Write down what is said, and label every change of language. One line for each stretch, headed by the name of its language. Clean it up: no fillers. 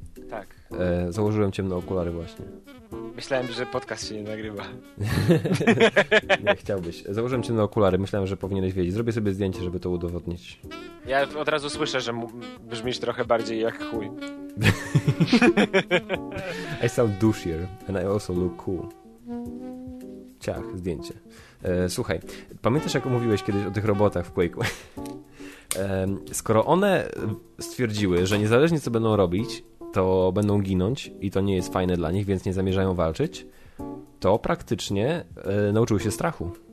Polish: Tak. Założyłem ciemne okulary właśnie. Myślałem, że podcast się nie nagrywa. Nie, chciałbyś. Założyłem ciemne okulary, myślałem, że powinieneś wiedzieć. Zrobię sobie zdjęcie, żeby to udowodnić. Ja od razu słyszę, że brzmisz trochę bardziej jak chuj.
English: I sound douchier and I also look cool.
Polish: Ciach, zdjęcie. Słuchaj, pamiętasz, jak mówiłeś kiedyś o tych robotach w Quake'u? Skoro one stwierdziły, że niezależnie co będą robić, to będą ginąć i to nie jest fajne dla nich, więc nie zamierzają walczyć, to praktycznie nauczyły się strachu.